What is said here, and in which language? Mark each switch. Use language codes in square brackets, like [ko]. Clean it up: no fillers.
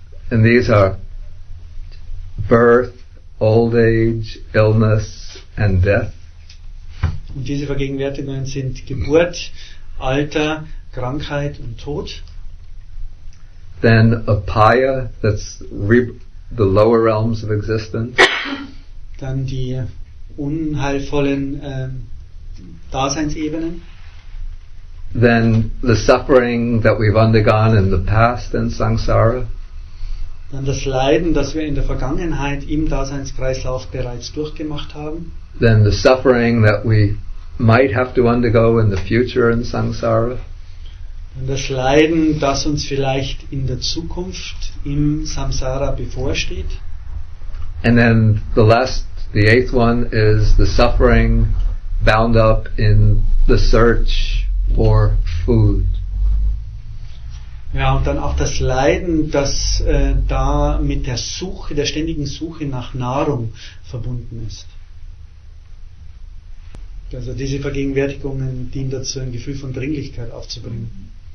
[en] And these are birth, old age, illness and death. [de] Und diese Vergegenwärtigungen sind Geburt, Alter, Krankheit und Tod. [en] Then Upaya, that's the lower realms of existence. [de] Dann die unheilvollen Daseinsebenen. [en] Then the suffering that we've undergone in the past in samsara. [de] Dann das Leiden, das wir in der Vergangenheit im Daseinskreislauf bereits durchgemacht haben. [en] Then the suffering that we might have to undergo in the future in samsara. [de] Dann das Leiden, das uns vielleicht in der Zukunft im Samsara bevorsteht. [en] And then the last, the eighth one is the suffering bound up in the search for food. [de] Ja, und dann auch das Leiden, das da mit der Suche, der ständigen Suche nach Nahrung verbunden ist. Also diese Vergegenwärtigungen dienen dazu, ein Gefühl von Dringlichkeit aufzubringen.